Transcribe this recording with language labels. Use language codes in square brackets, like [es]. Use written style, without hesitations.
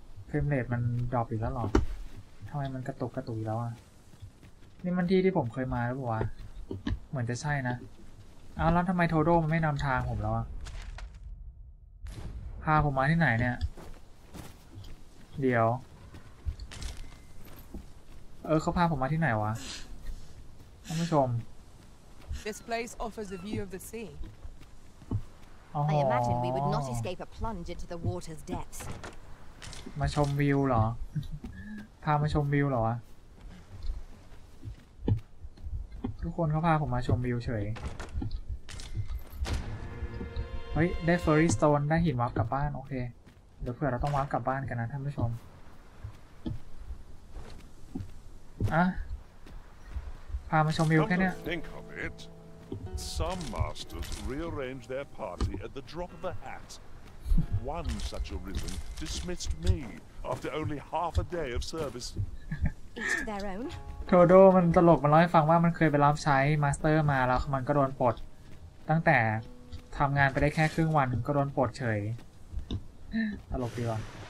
[th] เฟรมเรทมันดรอปอีกแล้วหรอทำไมมันกระตุกกระตุกอีกแล้วอ่ะนี่มันที่ที่ผมเคยมาหรือเปล่าวะเหมือนจะใช่นะเอาแล้วทำไมโทโดมันไม่นำทางผมแล้วอ่ะพาผมมาที่ไหนเนี่ยเดี๋ยวเขาพาผมมาที่ไหนวะท่านผู้ชม [en] This place offers a view of the sea. Oh. I imagine we would not escape a plunge into the water's depths. [th] มาชมวิวเหรอพามาชมวิวเหรอวะทุกคนเขาพาผมมาชมวิวเฉยเฮ้ยได้ Fairy Stone ได้หินวาร์ปกลับบ้านโอเคเดี๋ยวเผื่อเราต้องวาร์ปกลับบ้านกันนะท่านผู้ชมอ่ะพามาชมวิวแค่นี้ [en] Think of it. Some masters rearrange their party at the drop of a hat. One such arisen dismissed me after only half a day of service. Their own. [th] โทโดมันตลกมันเล่าให้ฟังว่ามันเคยไปรับใช้มาสเตอร์มาแล้วมันก็โดนปลดตั้งแต่ทำงานไปได้แค่ครึ่งวันก็โดนปลดเฉยตลกดีว่ะ